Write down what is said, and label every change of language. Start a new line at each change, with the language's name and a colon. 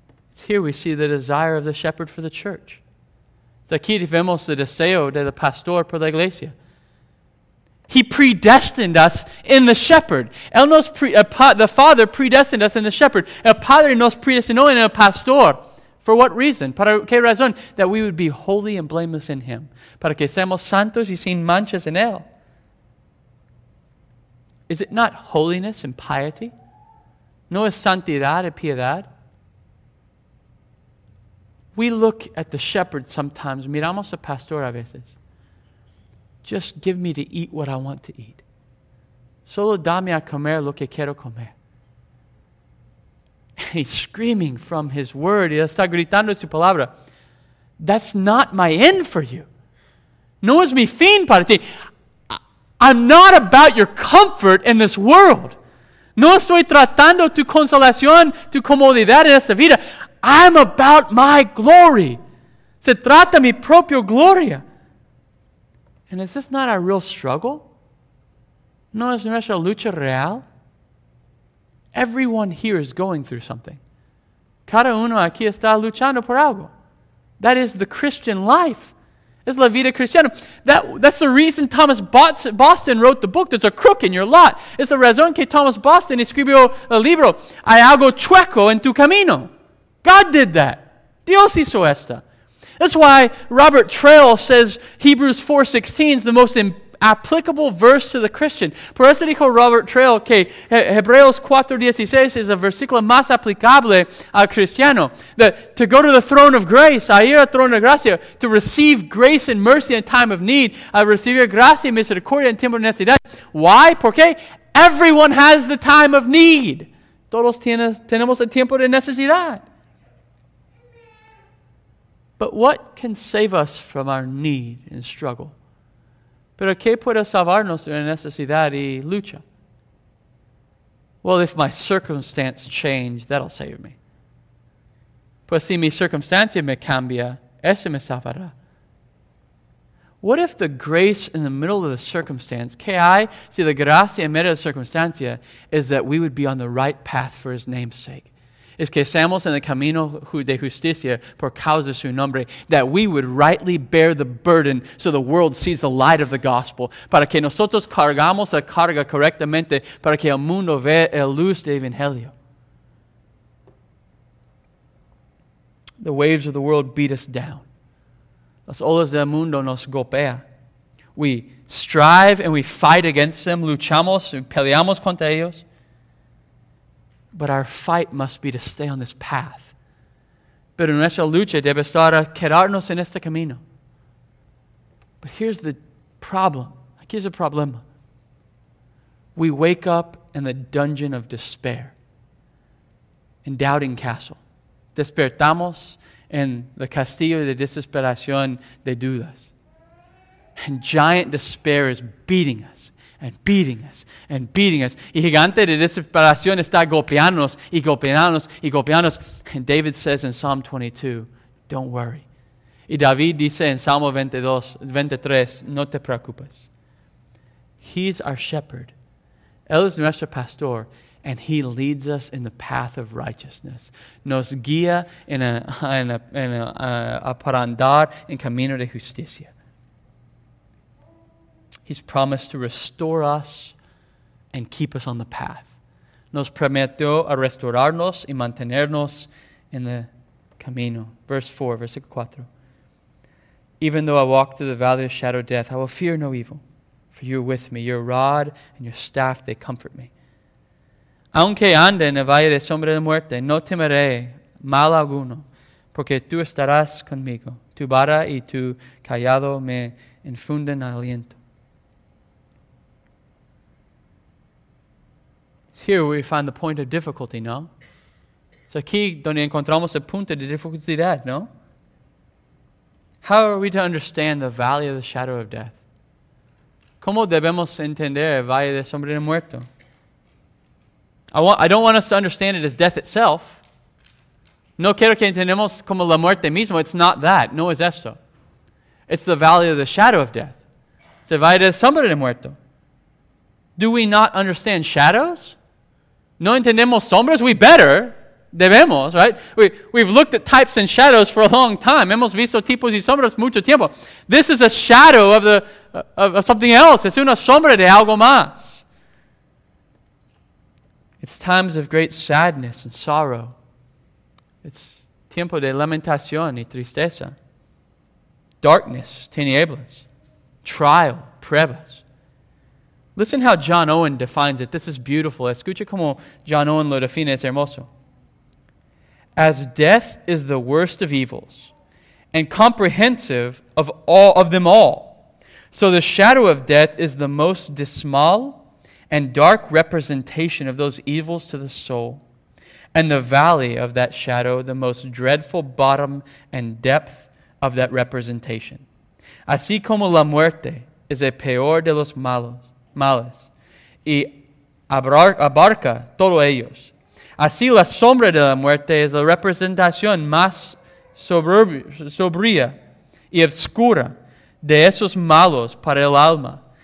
English: It's here we see the desire of the shepherd for the church. It's
Spanish: aquí vemos el deseo de el pastor por la iglesia.
English: He predestined us in the shepherd.
Spanish: Él nos
English: the Father predestined us in the shepherd.
Spanish: El Padre nos predestinó en el pastor.
English: For what reason?
Spanish: ¿Para qué razón?
English: That we would be holy and blameless in him.
Spanish: Para que seamos santos y sin manchas en él.
English: Is it not holiness and piety?
Spanish: No es santidad y piedad.
English: We look at the shepherd sometimes.
Spanish: Miramos al pastor a veces.
English: Just give me to eat what I want to eat.
Spanish: Solo dame a comer lo que quiero comer.
English: And he's screaming from his word.
Spanish: Y está gritando su palabra.
English: That's not my end for you.
Spanish: No es mi fin para ti.
English: I'm not about your comfort in this world.
Spanish: No estoy tratando tu consolación, tu comodidad en esta vida.
English: I'm about my glory.
Spanish: Se trata mi propia gloria.
English: And is this not our real struggle?
Spanish: No es nuestra lucha real.
English: Everyone here is going through something.
Spanish: Cada uno aquí está luchando por algo.
English: That is the Christian life.
Spanish: Es la vida cristiana.
English: That's the reason Thomas Boston wrote the book. There's a crook in your lot.
Spanish: Es la razón que Thomas Boston escribió el libro. Hay algo chueco en tu camino.
English: God did that.
Spanish: Dios hizo esta.
English: That's why Robert Trail says Hebrews 4:16 is the most applicable verse to the Christian.
Spanish: Por eso dijo Robert Trail que Hebreos 4:16 es el versículo más aplicable al cristiano.
English: That to go to the throne of grace,
Spanish: a ir al trono de gracia,
English: to receive grace and mercy in time of need,
Spanish: a recibir gracia y misericordia en tiempo de necesidad.
English: Why?
Spanish: Porque
English: everyone has the time of need.
Spanish: Todos tenemos el tiempo de necesidad.
English: But what can save us from our need and struggle?
Spanish: Pero ¿qué puede salvarnos de la necesidad y lucha?
English: Well, if my circumstance change, that'll save me.
Spanish: Pues si mi circunstancia me cambia, ese me salvará.
English: What if the grace in the middle of the circumstance,
Spanish: ¿qué hay si la gracia en medio de la circunstancia,
English: is that we would be on the right path for his name's sake?
Spanish: Es que seamos en el camino de justicia por causa de su nombre,
English: that we would rightly bear the burden so the world sees the light of the gospel,
Spanish: para que nosotros cargamos la carga correctamente, para que el mundo vea el luz del evangelio.
English: The waves of the world beat us down.
Spanish: Las olas del mundo nos golpean.
English: We strive and we fight against them,
Spanish: luchamos y peleamos contra ellos.
English: But our fight must be to stay on this path.
Spanish: Pero nuestra lucha debe estar a quedarnos en este camino.
English: But here's the problem. Like, here's a problem. We wake up in the dungeon of despair, in Doubting Castle.
Spanish: Despertamos en el castillo de desesperación de dudas.
English: And giant despair is beating us and beating us and beating us.
Spanish: Y gigante de desesperación está golpeándonos y golpeándonos y golpeándonos.
English: And David says in Psalm 22, don't worry.
Spanish: Y David dice en Salmo 22, 23, no te preocupes.
English: He's our shepherd.
Spanish: Él es nuestro pastor,
English: and he leads us in the path of righteousness.
Spanish: Nos guía en a para andar en camino de justicia.
English: He's promised to restore us and keep us on the path.
Spanish: Nos prometió a restaurarnos y mantenernos en el camino.
English: Verse 4,
Spanish: versículo 4.
English: Even though I walk through the valley of shadow of death, I will fear no evil, for you are with me. Your rod and your staff, they comfort me.
Spanish: Aunque ande en el valle de sombra de muerte, no temeré mal alguno, porque tú estarás conmigo. Tu vara y tu callado me infunden aliento.
English: Here we find the point of difficulty, no?
Spanish: So aquí donde encontramos el punto de dificultad, no?
English: How are we to understand the valley of the shadow of death?
Spanish: ¿Cómo debemos entender el valle de sombra de muerto?
English: I don't want us to understand it as death itself.
Spanish: No quiero que entendamos como la muerte mismo.
English: It's not that.
Spanish: No es eso.
English: It's the valley of the shadow of death. It's
Spanish: el valle de sombra de muerto.
English: Do we not understand shadows?
Spanish: No entendemos sombras,
English: we better,
Spanish: debemos,
English: right? We've looked at types and shadows for a long time.
Spanish: Hemos visto tipos y sombras mucho tiempo.
English: This is a shadow of something else.
Spanish: Es una sombra de algo más.
English: It's times of great sadness and sorrow. It's
Spanish: tiempo de lamentación y tristeza.
English: Darkness,
Spanish: tinieblas.
English: Trial,
Spanish: pruebas.
English: Listen how John Owen defines it. This is beautiful.
Spanish: Escucha como John Owen lo define, es hermoso.
English: As death is the worst of evils and comprehensive of all of them all, so the shadow of death is the most dismal and dark representation of those evils to the soul, and the valley of that shadow the most dreadful bottom and depth of that representation.
Spanish: Así como la muerte es el peor de los malos, males, y abarca todos ellos. Así la sombra de la muerte es la representación más sobria y obscura de esos malos para el alma.